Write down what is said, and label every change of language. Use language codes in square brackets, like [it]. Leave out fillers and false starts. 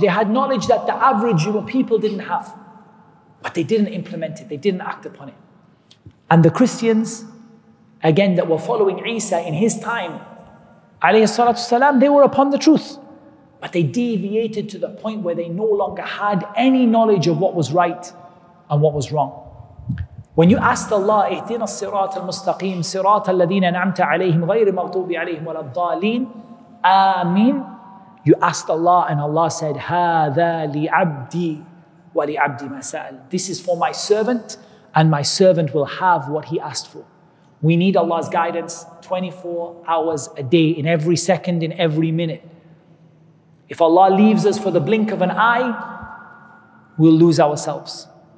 [en] They had knowledge that the average people didn't have, but they didn't implement it. They didn't act upon it. And the Christians, again, that were following Isa in his time, alayhi salatu salam, they were upon the truth, but they deviated to the point where they no longer had any knowledge of what was right and what was wrong. When you asked Allah, [ar] اهدنا الصراط المستقيم صراط الذين أنعمت عليهم غير مغضوب عليهم ولا الضالين آمين, [en] you asked Allah and Allah said, [ar] هَذَا لِعَبْدِي وَلِعَبْدِي مَا سَأَلْ. [en] This is for my servant, and my servant will have what he asked for. We need Allah's guidance 24 hours a day, in every second, in every minute. If Allah leaves us for the blink of an eye, we'll lose ourselves.